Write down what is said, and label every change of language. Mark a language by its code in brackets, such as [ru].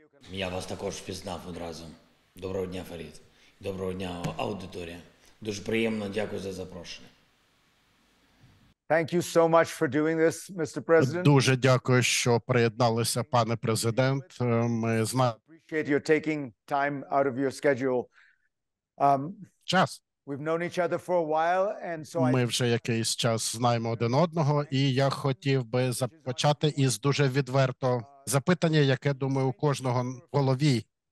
[uk] Я вас також впізнав одразу. Доброго дня, Фарид. Доброго дня, аудиторія. Дуже приємно, дякую за запрошення. [en] Thank you so much for doing this, Mr. President. [uk] Дуже дякую, що приєдналися, пане президент. Ми знаємо. [en] Appreciate you taking time out of your schedule. [uk] Час. [en] We've known each other for a while, and so [uk] ми вже якийсь час знаємо один одного, і я хотів би започати із дуже відверто запитання, яке, думаю, у кожного в голові.